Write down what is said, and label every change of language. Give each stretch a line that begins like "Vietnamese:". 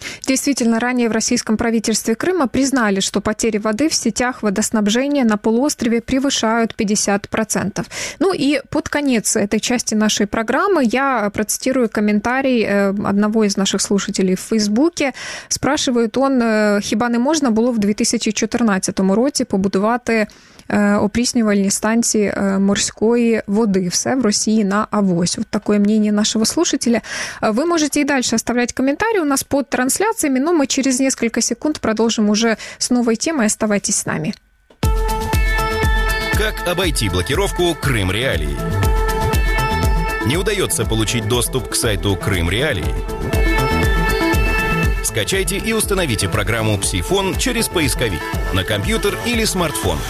Russian: Действительно, ранее в российском правительстве Крыма признали, что потери воды в сетях водоснабжения на полуострове превышают 50%. Ну и под конец этой части нашей программы я процитирую комментарий одного из наших слушателей в Фейсбуке. Спрашивает он,
Ukrainian: хіба не можна було в 2014 році побудувати опреснювальні станції морської води. Все в Росії на авось. От таке мнение нашого слушателя. Ви можете і далі оставляти коментарі у нас під трансляціями, але ми через кілька секунд продовжимо вже з новою темою. Оставайтесь з нами.
Russian: Как обойти блокировку Крым Реалии? Не удается получить доступ к сайту Крым Реалии? Скачайте и установите программу Псифон через поисковик на компьютер или смартфон.